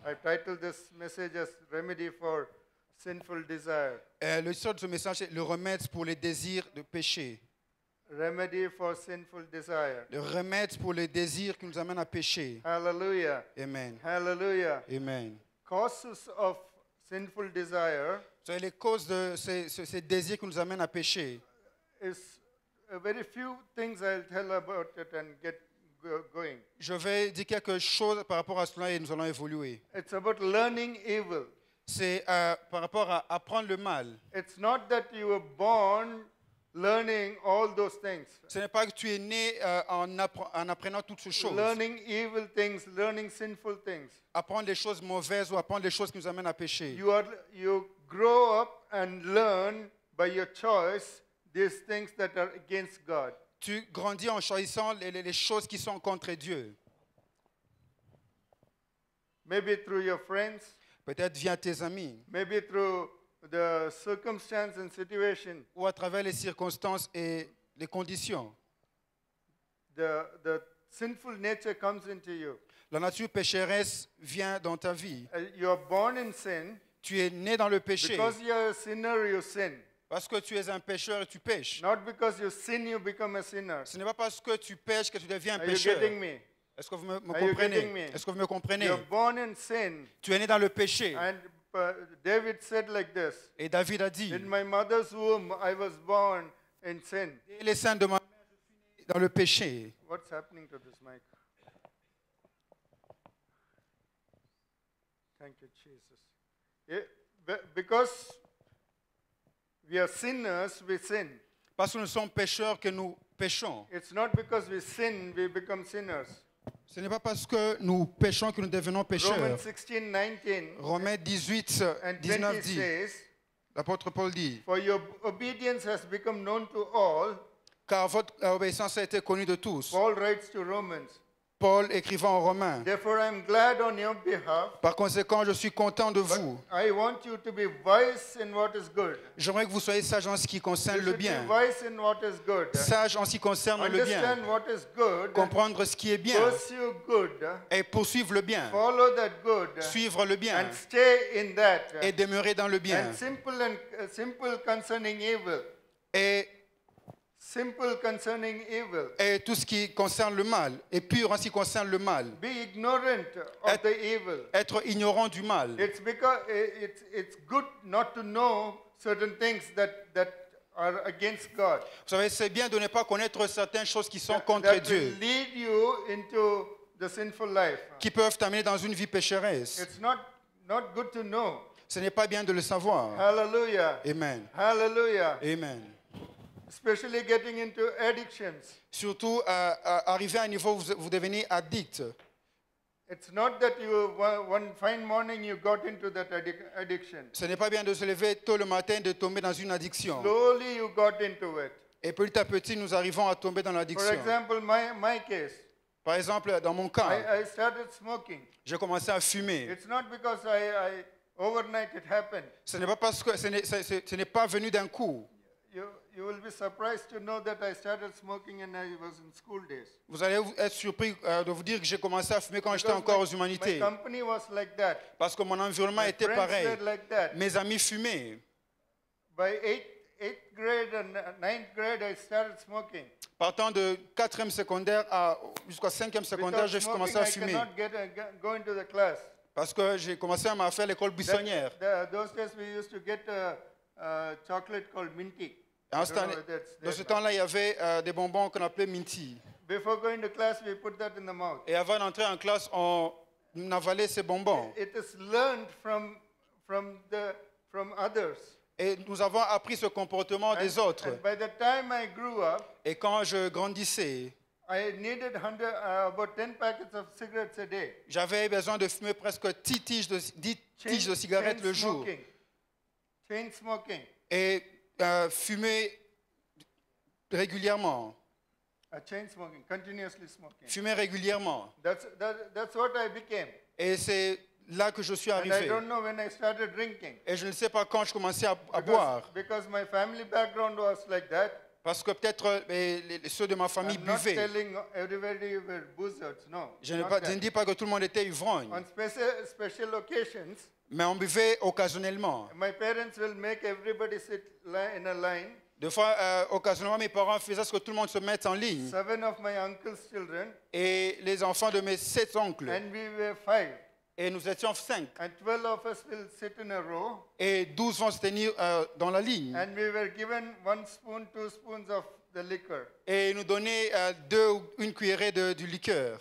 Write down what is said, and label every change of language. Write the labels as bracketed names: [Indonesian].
[English] I titled this message as "Remedy for Sinful Desire." [French] Le titre de ce message est le remède pour les désirs de péché. [English] Remedy for sinful desire. [French] Le remède pour les désirs qui nous amènent à pécher. [English] Hallelujah. Amen. Hallelujah. Amen. Causes of sinful desire. [French] C'est les causes de ces désirs qui nous amènent à pécher. [English] It's a very few things I'll tell about it and get going. [French] Je vais dire quelques choses par rapport à cela et nous allons évoluer. [English] It's about learning evil. [French] C'est par rapport à apprendre le mal. [English] It's not that you were born learning all those things. [French] Ce n'est pas que tu es né en apprenant toutes ces choses. [English] Learning evil things, learning sinful things. [French] Apprendre les choses mauvaises ou apprendre les choses qui nous amènent à pécher. [English] You grow up and learn by your choice these things that are against God. [French] Tu grandis en choisissant les choses qui sont contre Dieu. [English] Maybe through your friends. [French] Peut-être via tes amis. [English] Maybe through the circumstances and situation. [French] Ou à travers les circonstances et les conditions. [English] The sinful nature comes into you. [French] La nature pécheresse vient dans ta vie. [English] You are born in sin. [French] Tu es né dans le péché. [English] Because you are a sinner, you sin. [French] Parce que tu es un pécheur et tu pèches. [English] Not because you sin, you become a sinner. [French] Ce n'est pas parce que tu pèches que tu deviens un [English] are [French] pécheur. [English] You getting me? [French] Est-ce que vous me comprenez? Est-ce que vous me comprenez? [English] You are born in sin. [French] Tu es né dans le péché. [English] And David said like this. [French] Et David a dit. [English] In my mother's womb, I was born in sin. [French] Dès le sein de ma mère, je suis né dans le péché. [English] What's happening to this mic? Thank you, Jesus. Because we are sinners, we sin. [French] Parce que nous sommes pécheurs que nous péchons. [English] It's not because we sin, we become sinners. [French] Ce n'est pas parce que nous péchons que nous devenons pécheurs. [English] Romans 16, 19, [French] Romains 18, 19 dit, l'apôtre Paul dit, [English] for your obedience has become known to all. [French] Car votre obéissance a été connue de tous. [English] Paul writes to Romans. [French] Paul écrivant aux Romains. [English] Therefore, I'm glad on your behalf. [French] Par conséquent, je suis content de vous. [English] I want you to be wise in what is good. [French] J'aimerais que vous soyez sage en ce qui concerne le bien. [English] Be wise in what is good. [French] Sage en ce qui concerne [English] understand [French] le bien. [English] Understand what is good. [French] Comprendre ce qui est bien. [English] Pursue good. [French] Et poursuivre le bien. [English] Follow that good. [French] Suivre le bien. [English] And stay in that. [French] Et demeurer dans le bien. [English] And simple and simple concerning evil. [French] Et [English] simple concerning evil. [French] Et tout ce qui concerne le mal est pur en ce qui concerne le mal. [English] Be ignorant of the evil. [French] Être ignorant du mal. [English] It's because it's good not to know certain things that are against God. [French] Vous savez, c'est bien de ne pas connaître certaines choses qui sont contre Dieu. [English] That will lead you into the sinful life. [French] Qui peuvent t'amener dans une vie pécheresse. [English] It's not good to know. [French] Ce n'est pas bien de le savoir. [English] Hallelujah. Amen. Hallelujah. Amen. Especially getting into addictions. [French] Surtout arriver à un niveau où vous devenez addict. [English] It's not that you one fine morning you got into that addiction. [French] Ce n'est pas bien de se lever tôt le matin de tomber dans une addiction. [English] Slowly you got into it. [French] Et petit à petit nous arrivons à tomber dans l'addiction. [English] For example, my case. [French] Par exemple, dans mon cas. [English] I started smoking. [French] J'ai commencé à fumer. [English] It's not because I overnight it happened. [French] Ce n'est pas parce que ce n'est pas venu d'un coup. [English] You will be surprised to know that I started smoking and I was in school days. [French] Vous allez être surpris de vous dire que j'ai commencé à fumer quand j'étais encore aux humanités. [English] My company was like that. [French] Parce que mon environnement [English] my [French] était pareil. [English] Like that. [French] Mes amis fumaient. [English] By eighth grade and ninth grade, I started smoking. [French] Partant de 4e secondaire jusqu'à 5e secondaire, j'ai commencé à fumer. [English] Because smoking, I cannot go into the class. [French] Parce que j'ai commencé à faire l'école buissonnière. [English] Those days we used to get chocolate called minty. [French] Dans ce temps-là, il y avait des bonbons qu'on appelait minty. [English] Before going to class, we put that in the mouth. [French] Et avant d'entrer en classe, on avalait ces bonbons. [English] It is learned from others. [French] Et nous avons appris ce comportement des autres. [English] And by the time I grew up, [French] et quand je grandissais, [English] I needed about 10 packets of cigarettes a day. [French] J'avais besoin de fumer presque 10 tiges de cigarettes le jour. [English] Chain smoking. [French] Et fumer régulièrement. [English] Chain smoking, continuously smoking. [French] Fumer régulièrement. [English] That's what I became. [French] Et c'est là que je suis arrivé. [English] And I don't know when I started drinking. [French] Et je ne sais pas quand je commençais à boire. [English] Because my family background was like that. [French] Parce que peut-être ceux de ma famille buvaient. [English] I'm not telling everybody you were buzzards, no. [French] Je ne dis pas que tout le monde était ivrogne. [English] On special occasions. [French] Mais on buvait occasionnellement. [English] My parents will make everybody sit in a line. [French] Des fois, occasionnellement, mes parents faisaient ce que tout le monde se mette en ligne. [English] Seven of my uncle's children. [French] Et les enfants de mes 7 oncles. [English] And we were 5. [French] Et nous étions 5. [English] And 12 of us will sit in a row. [French] Et 12 vont se tenir dans la ligne. [English] And we were given 1 spoon, 2 spoons of the liquor. [French] Et ils nous donnaient 2 ou 1 cuillerée du liqueur.